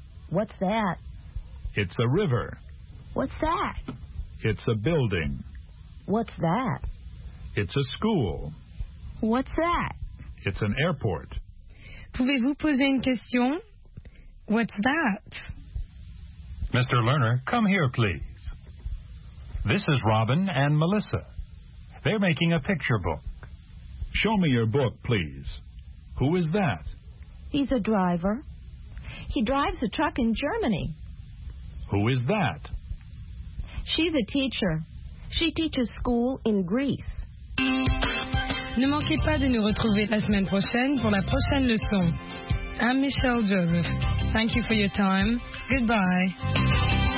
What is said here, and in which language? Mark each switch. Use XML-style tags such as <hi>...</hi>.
<en>What's that? It's a river. What's that? It's a building. What's that? It's a school. What's that? It's an airport.</en> <fr>Pouvez-vous poser une question?</fr> <en>What's that? Mr. Lerner, come here, please. This is Robin and Melissa. They're making a picture book. Show me your book, please. Who is that? He's a driver. He drives a truck in Germany. Who is that? She's a teacher. She teaches school in Greece.</en> <fr>Ne manquez pas de nous retrouver la semaine prochaine pour la prochaine leçon.</fr> <en>I'm Michelle Joseph. Thank you for your time. Goodbye.</en>